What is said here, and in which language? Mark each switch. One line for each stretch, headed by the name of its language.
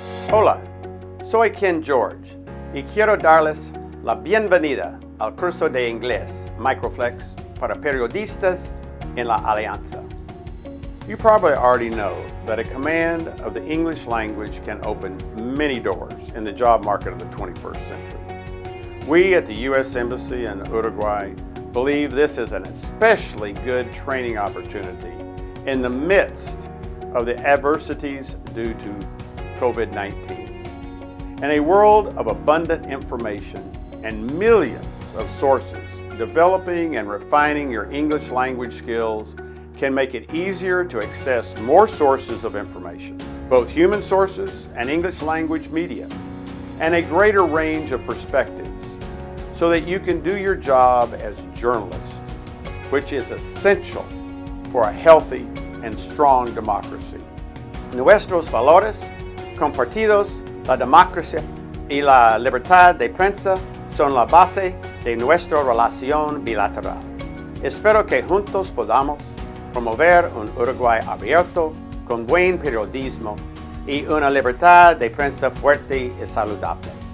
Spanish: Hola, soy Ken George y quiero darles la bienvenida al curso de inglés Microflex para periodistas en la Alianza.
English: You probably already know that a command of the English language can open many doors in the job market of the 21st century. We at the U.S. Embassy in Uruguay believe this is an especially good training opportunity in the midst of the adversities due to COVID-19. In a world of abundant information and millions of sources, developing and refining your English language skills can make it easier to access more sources of information, both human sources and English language media, and a greater range of perspectives, so that you can do your job as a journalist, which is essential for a healthy and strong democracy.
Spanish: Nuestros valores compartidos, la democracia y la libertad de prensa son la base de nuestra relación bilateral. Espero que juntos podamos promover un Uruguay abierto con buen periodismo y una libertad de prensa fuerte y saludable.